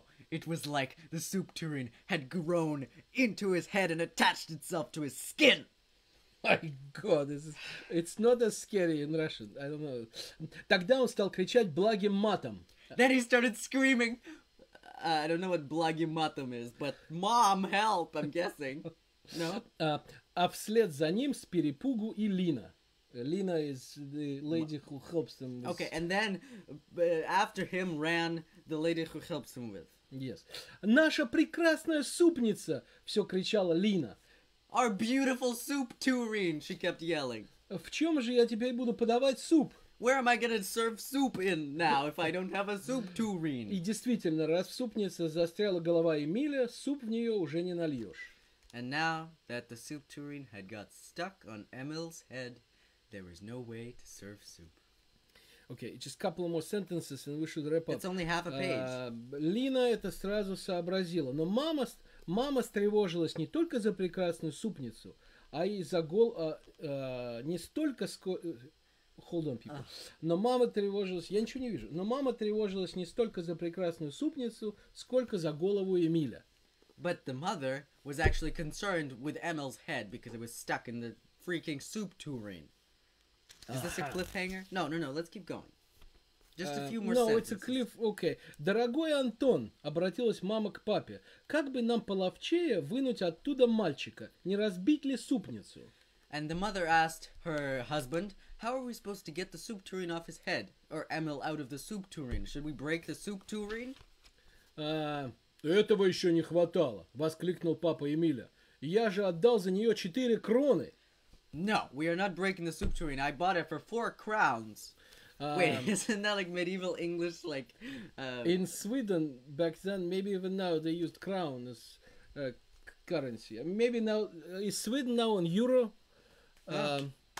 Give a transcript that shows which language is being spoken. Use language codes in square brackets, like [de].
[en] It was like the soup tureen had grown into his head and attached itself to his skin. My God, this is, it's not as scary in Russian. I don't know. [ru] Тогда он стал кричать благим матом. [en] Then he started screaming. I don't know what [ru] благим матом [en] is, but mom, help, I'm guessing. No? [ru] А вслед за ним с перепугу и Лина. [en] Лина is the lady who helps him. With... Okay, and then after him ran the lady who helps him with. Yes. [ru] Наша прекрасная супница, все кричала Лина. [en] Our beautiful soup tureen, she kept yelling. [ru] В чем же я теперь буду подавать суп? [en] Where am I gonna serve soup in now if I don't have a soup tureen? [ru] И действительно, раз в супнице застряла голова Эмиля, суп в нее уже не нальешь. [en] And now that the soup tureen had got stuck on Emil's head, there was no way to serve soup. Okay, just a couple more sentences and we should wrap up. It's only half a page. [ru] Лина это сразу сообразила. Но мама встревожилась не только за прекрасную супницу, а и за гол... не столько... [en] Hold on, people. [ru] Но мама тревожилась... Я ничего не вижу. Но мама тревожилась не столько за прекрасную супницу, сколько за голову Эмиля. [en] But the mother was actually concerned with Emil's head because it was stuck in the freaking soup tureen. Is this a cliffhanger? No, let's keep going. Just a few more sentences. No, it's a cliff, okay. [ru] Дорогой Антон, обратилась мама к папе, как бы нам половчее вынуть оттуда мальчика? Не разбить ли супницу? [en] And the mother asked her husband, how are we supposed to get the soup tureen off his head? Or Emil out of the soup tureen? Should we break the soup tureen? [ru] Этого еще не хватало, воскликнул папа Эмиля. Я же отдал за нее 4 кроны. [en] No, we are not breaking the soup tureen. I bought it for 4 crowns. Wait, isn't that like medieval English? Like in Sweden back then, maybe even now they used crown as currency. Maybe now is Sweden now on euro? Okay.